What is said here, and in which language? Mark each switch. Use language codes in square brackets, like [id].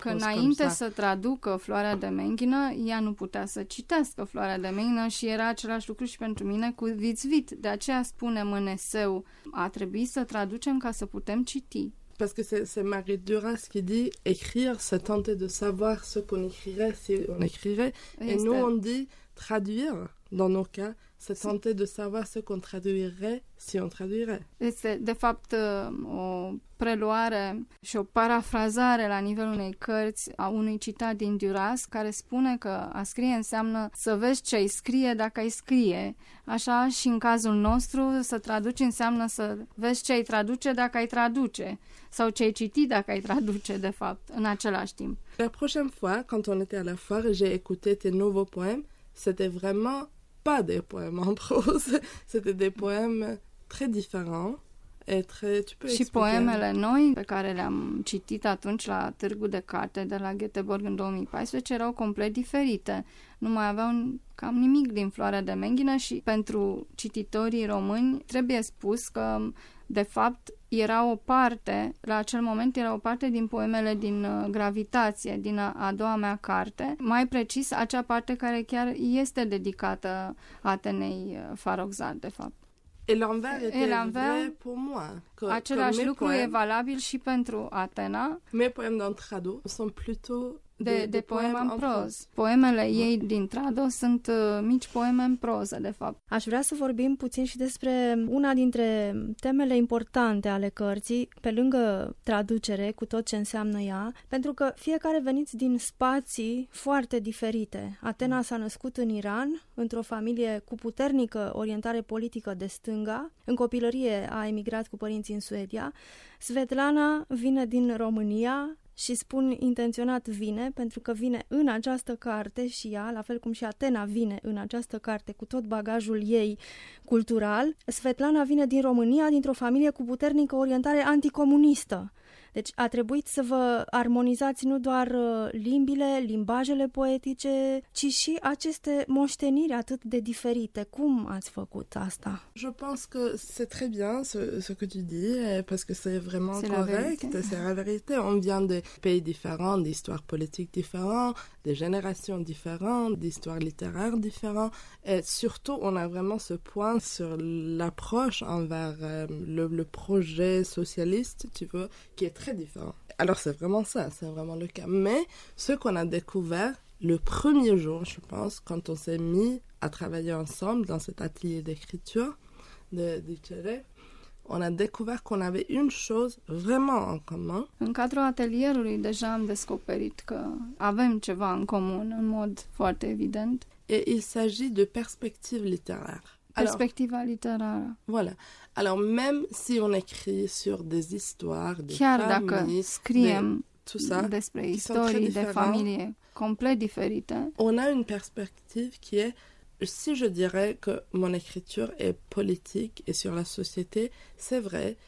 [ro] Că înainte să traducă Floarea de Menghină, ea nu putea să citească Floarea de Menghină și era același lucru și pentru mine cu Vițvit. De aceea spunem în eseu, a trebuit să traducem ca să putem citi. [fr] Parce que c'est Marie Duras qui dit écrire, c'est tenter de savoir ce qu'on écrirait si on écrirait. Et nous on dit traduire. Dans nos cas, se tente de savoir ce qu'on traduirait si on traduirait. [ro] Este, de fapt, o preluare și o parafrazare la nivelul unei cărți a unui citat din Duras, care spune că a scrie înseamnă să vezi ce ai scrie dacă ai scrie. Așa și în cazul nostru, să traduci înseamnă să vezi ce ai traduce dacă ai traduce. Sau ce ai citi dacă ai traduce, de fapt, în același timp. [fr] La prochaine fois, quand on était à la foire, j'ai écouté tes nouveaux poèmes. C'était vraiment pas des poèmes en prose, c'était des poèmes très différents et très tu peux expliquer. [ro] Și poemele noi pe care le-am citit atunci la Târgu de Carte de la Göteborg în 2014 erau complet diferite. Nu mai aveau cam nimic din Floarea de Menghină și pentru cititorii români trebuie spus că de fapt era o parte, la acel moment era o parte din poemele din Gravitație, din a doua mea carte, mai precis acea parte care chiar este dedicată Atenei Farrokhzad, de fapt. [fr] Et l'envers était vrai pour moi. Que, [ro] același lucru poèmes, e valabil și pentru Atena. [fr] Mes poèmes dans Trado sont plutôt [ro] de poemă în proză. Poemele ei din Trado sunt mici poeme în proză, de fapt. Aș vrea să vorbim puțin și despre una dintre temele importante ale cărții, pe lângă traducere, cu tot ce înseamnă ea, pentru că fiecare veniți din spații foarte diferite. Atena s-a născut în Iran, într-o familie cu puternică orientare politică de stânga. În copilărie a emigrat cu părinții în Suedia. Svetlana vine din România. Și spun intenționat vine, pentru că vine în această carte și ea, la fel cum și Atena vine în această carte cu tot bagajul ei cultural. Svetlana vine din România, dintr-o familie cu puternică orientare anticomunistă. Deci a trebuit să vă armonizați nu doar limbile, limbajele poetice, ci și aceste moșteniri atât de diferite. Cum ați făcut asta? [fr] Je pense que c'est très bien ce que tu dis, parce que c'est vraiment correct, c'est la vérité. On vient de pays différents, d'histoires politiques différentes, des générations différentes, d'histoires littéraires différentes. Et surtout, on a vraiment ce point sur l'approche envers le projet socialiste, tu vois, qui est très différent. Alors c'est vraiment ça, c'est vraiment le cas. Mais ce qu'on a découvert le premier jour, je pense, quand on s'est mis à travailler ensemble dans cet atelier d'écriture de Tchere, on a découvert qu'on avait une chose vraiment en commun. [ro] În cadrul atelierului deja am descoperit că avem ceva în comun în mod foarte evident. [fr] Et il s'agit de perspectives littéraires. [ro] Perspectiva literară. [fr] Voilà. Alors même si on écrit sur des histoires, des [ro] chiar [fr] familles, [ro] dacă scriem [fr] tout ça, [ro] despre istorii de familie complet diferite, [fr] on a une perspective qui est, si je dirais que mon écriture est politique et sur la société, c'est vrai.